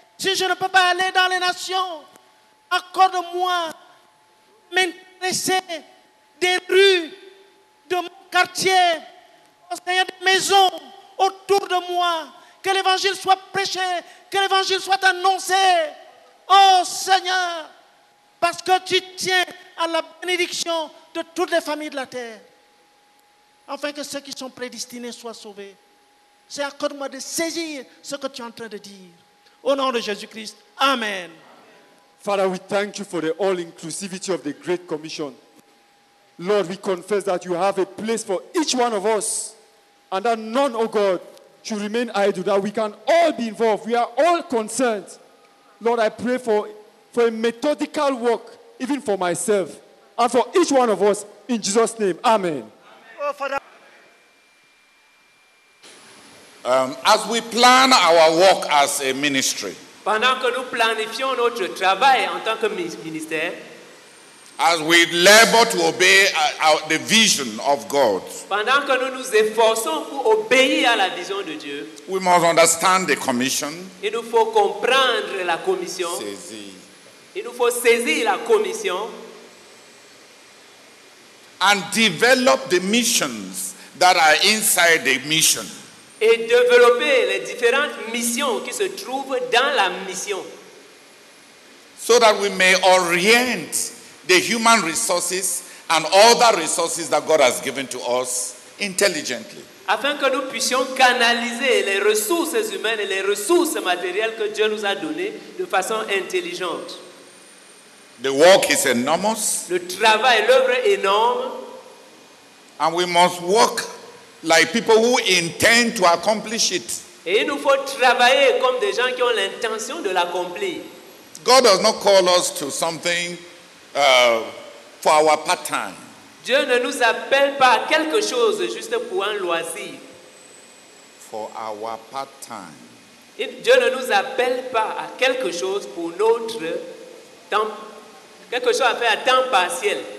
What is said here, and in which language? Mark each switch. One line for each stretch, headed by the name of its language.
French: si je ne peux pas aller dans les nations, accorde-moi m'intéresser des rues de mon quartier, Seigneur, des maisons autour de moi, que l'évangile soit prêché, que l'évangile soit annoncé. Oh Seigneur, parce que tu tiens à la bénédiction de toutes les familles de la terre, afin que ceux qui sont prédestinés soient sauvés. C'est accorde-moi de saisir ce que tu es en train de dire. Au nom de Jésus-Christ, amen.
English: Father, we thank you for the all-inclusivity of the Great Commission. Lord, we confess that you have a place for each one of us, and that none, oh God, should remain idle, that we can all be involved. We are all concerned. Lord, I pray for a methodical work, even for myself, and for each one of us, in Jesus' name. Amen. Oh, Father. As we plan our work as a ministry,
French: pendant que nous planifions notre travail en tant que ministère,
English: as we labor to obey the vision of God,
French: pendant que nous nous efforçons pour obéir à la vision de Dieu,
English: we must understand the commission.
French: Il nous faut comprendre la commission. Saisir. Il nous faut saisir la commission.
English: And develop the missions that are inside the mission.
French: Et développer les différentes missions qui se trouvent dans la mission.
English: So that we may orient the human resources and other resources that God has given to us intelligently.
French: Afin que nous puissions canaliser les ressources humaines et les ressources matérielles que Dieu nous a données de façon intelligente.
English: The work is enormous.
French: Le travail, l'œuvre est énorme.
English: And we must work like people who intend to accomplish it.
French: Et il nous faut travailler comme des gens qui ont l'intention de l'accomplir.
English: God does not call us to something for our pattern.
French: Dieu ne nous appelle pas à quelque chose juste pour un loisir.
English: For our pattern.
French: Dieu ne nous appelle pas à quelque chose pour notre temps, quelque chose à faire à temps partiel.